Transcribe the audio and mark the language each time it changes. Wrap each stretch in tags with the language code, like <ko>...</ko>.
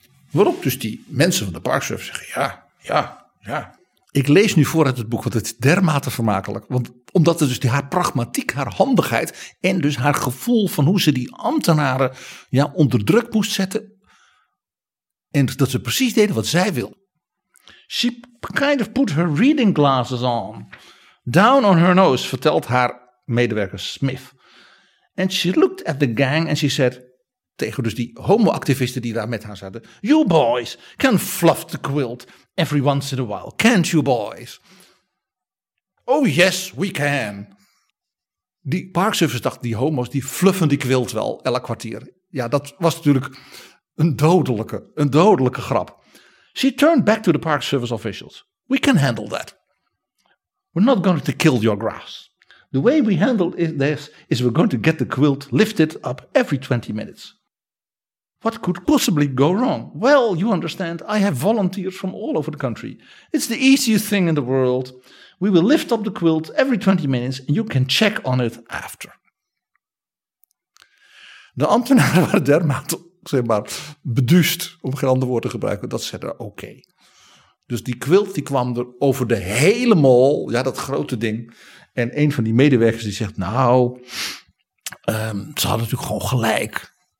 <nl>Waarop dus die mensen van de Park Service zeggen, ja. Ik lees nu vooruit het boek, want het is dermate vermakelijk. Want omdat het dus haar pragmatiek, haar handigheid en dus haar gevoel van hoe ze die ambtenaren onder druk moest zetten. En dat ze precies deden wat zij wil.</nl> <en>She kind of put her reading glasses on. Down on her nose,</en> <nl>vertelt haar medewerker Smith.</nl> <en>And she looked at the gang and she said,</en> <nl>tegen dus die homo-activisten die daar met haar zaten,</nl> <en>you boys can fluff the quilt every once in a while, can't you boys? Oh yes, we can.</en> <nl>Die Park Service dacht, die homo's, die fluffen die quilt wel elk kwartier. Ja, dat was natuurlijk een dodelijke grap.</nl> <en>She turned back to the Park Service officials. We can handle that. We're not going to kill your grass. The way we handle this is we're going to get the quilt lifted up every 20 minutes. What could possibly go wrong? Well, you understand, I have volunteers from all over the country. It's the easiest thing in the world. We will lift up the quilt every 20 minutes and you can check on it after.</en> <nl>De ambtenaren waren dermate, zeg maar, beduust, om geen ander woord te gebruiken, dat ze er oké. Dus die quilt die kwam er over de hele mol, ja, dat grote ding. En een van die medewerkers die zegt, ze hadden natuurlijk gewoon gelijk.</nl>